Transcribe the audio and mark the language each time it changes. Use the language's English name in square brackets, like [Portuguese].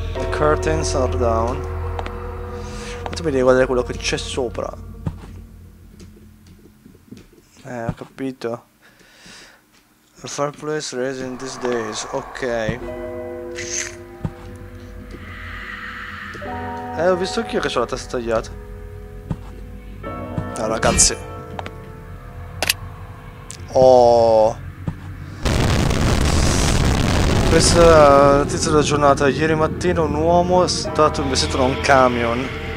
[English] Curtains are down. [Italian] Tu mi devi guardare quello che c'è sopra. Ho capito. [English] A fireplace raised in these days. Ok. [Italian] Ho visto anch'io che c'ho la testa tagliata. Ah, ragazzi. Oh. Questa è la notizia della giornata. Ieri mattina un uomo è stato investito da un camion.